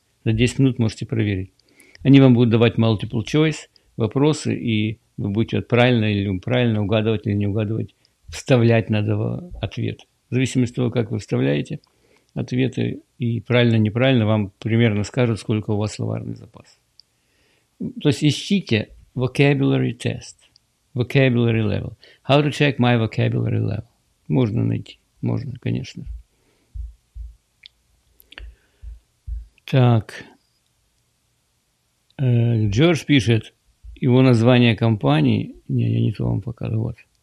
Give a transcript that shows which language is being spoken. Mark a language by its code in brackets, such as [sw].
[ru] За 10 минут можете проверить. Они вам будут давать [en] multiple choice [ru] вопросы, и вы будете правильно или неправильно угадывать или не угадывать, вставлять надо ответ. В зависимости от того, как вы вставляете ответы, и правильно, неправильно, вам примерно скажут, сколько у вас словарный запас. То есть ищите [en] vocabulary test, vocabulary level. How to check my vocabulary level? [ru] Можно найти, можно, конечно. Так, Джордж пишет, его название компании, не, я не то вам показываю, вот.